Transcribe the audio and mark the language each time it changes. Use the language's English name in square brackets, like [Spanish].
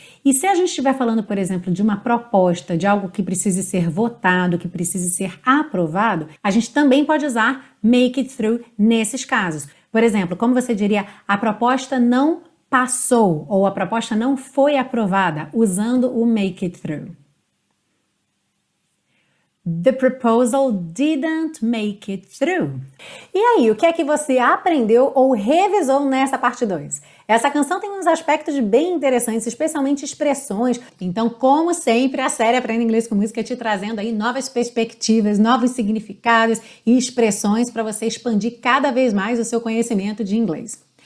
[Portuguese] E se a gente estiver falando, por exemplo, de uma proposta, de algo que precise ser votado, que precise ser aprovado, a gente também pode usar make it through nesses casos. Por exemplo, como você diria, a proposta não passou ou a proposta não foi aprovada, usando o make it through. [English] The proposal didn't make it through. [Portuguese] E aí, o que é que você aprendeu ou revisou nessa parte 2? Essa canção tem uns aspectos bem interessantes, especialmente expressões. Então, como sempre, a série Aprenda Inglês com Música te trazendo aí novas perspectivas, novos significados e expressões para você expandir cada vez mais o seu conhecimento de inglês.